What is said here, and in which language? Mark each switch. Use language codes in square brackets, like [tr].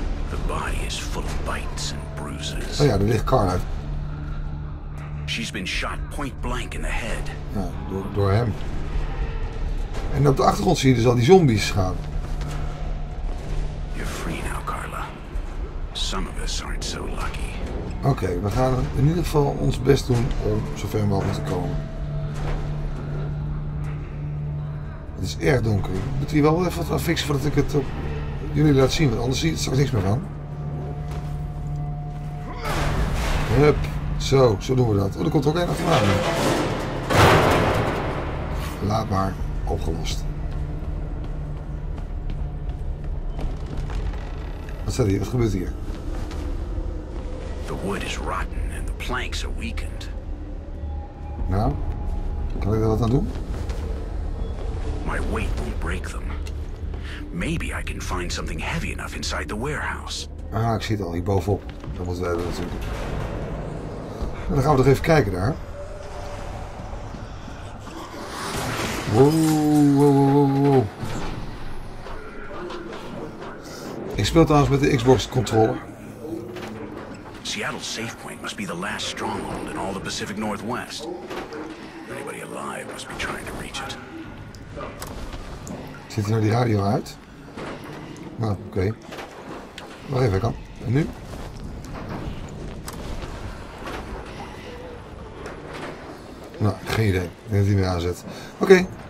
[en] The body is full of bites and bruises. [nl] Oh ja, er ligt Carla. [en] She's been shot point blank in the head. [nl] Ja, door hem. En op de achtergrond zie je dus al die zombies gaan. [en] You're free now, Carla. Some of us aren't so lucky. [nl] Oké, we gaan in ieder geval ons best doen om zo ver mogelijk te komen. Het is erg donker. Ik moet hier wel even wat affixen voordat ik het op jullie laat zien, want anders zie je er straks niks meer van. Hup, zo doen we dat. Oh, er komt ook een afvraag. Laat maar, opgelost. Wat staat hier? Wat gebeurt hier? [en] The wood is rotten and the planks are weakened. [nl] Nou, kan ik daar wat aan doen? [en] My weight won't break them. Maybe I can find something heavy enough inside the warehouse. [nl] Ah, ik zie het al hier bovenop. Dan moeten we dat natuurlijk. En dan gaan we toch even kijken daar. Wow. Ik speel trouwens met de Xbox controller. [en] Seattle's safe point must be the last stronghold in all the Pacific Northwest. Anybody alive must be trying to reach it. [nl] Zit hij nou die radio uit? Nou, oké. Okay. Wacht even, kan. En nu? Nou, geen idee. Ik denk dat hij weer aanzet. Oké. Okay.